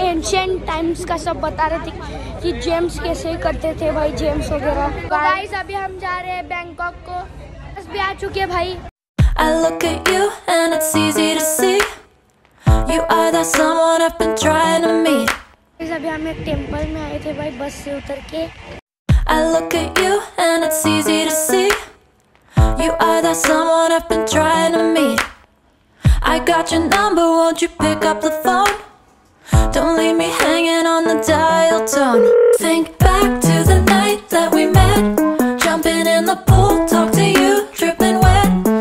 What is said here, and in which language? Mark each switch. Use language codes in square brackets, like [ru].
[hi] Ancient times का सब बता रहे थे कि जेम्स कैसे करते थे भाई, जेम्स वगैरह. गाइस अभी हम जा रहे हैं बैंकॉक को, बस भी आ चुके भाई. [en] I look at you and it's easy to see. You are that someone I've been trying to meet. [hi] Guys अभी हम एक टेंपल में आए थे भाई बस से उतर के. [en] I look at you and it's easy to see. You are that someone I've been trying to meet. I got your number, won't you pick up the phone? Don't leave me hanging on the dial tone. Think back to the night that we met. Jumping in the pool, talk to you, dripping wet.